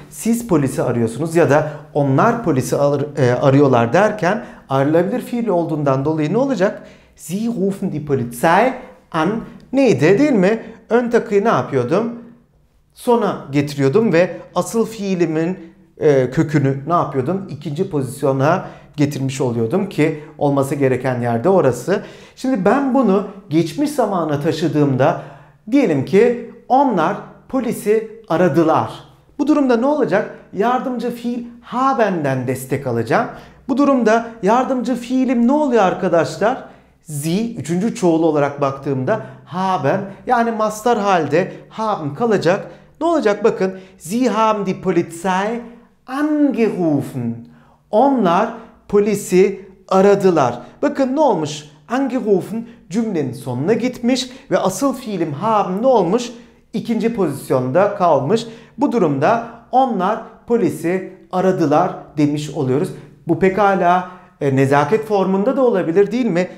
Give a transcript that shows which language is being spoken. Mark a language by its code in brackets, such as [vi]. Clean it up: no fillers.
[tr] Siz polisi arıyorsunuz ya da onlar polisi arıyorlar derken ayrılabilir fiil olduğundan dolayı ne olacak? [de] Sie rufen die Polizei an. [tr] Neydi değil mi? Ön takıyı ne yapıyordum? Sona getiriyordum ve asıl fiilimin kökünü ne yapıyordum? İkinci pozisyona getirmiş oluyordum ki olması gereken yerde orası. Şimdi ben bunu geçmiş zamana taşıdığımda diyelim ki onlar polisi aradılar. Bu durumda ne olacak? Yardımcı fiil haben'den destek alacağım. Bu durumda yardımcı fiilim ne oluyor arkadaşlar? Sie, üçüncü çoğulu olarak baktığımda haben, yani mastar halde haben kalacak. Ne olacak bakın? [de] Sie haben die Polizei angerufen. [tr] Onlar polisi aradılar. Bakın ne olmuş? Angerufen cümlenin sonuna gitmiş ve asıl fiilim haben ne olmuş? İkinci pozisyonda kalmış. Bu durumda onlar polisi aradılar demiş oluyoruz. Bu pekala nezaket formunda da olabilir değil mi?